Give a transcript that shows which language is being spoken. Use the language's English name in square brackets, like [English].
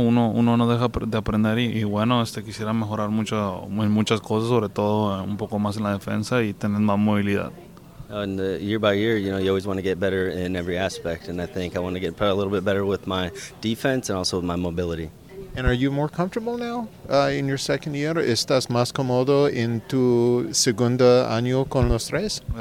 [Spanish] Uno no deja de aprender y bueno, quisiera mejorar mucho en muchas cosas, sobre todo un poco más en la defensa y tener más movilidad. [English] And year by year, you know, you always want to get better in every aspect. And I think I want to get a little bit better with my defense and also with my mobility. And are you more comfortable now in your second year? [Spanish] ¿Estás más cómodo en tu segundo año con los tres?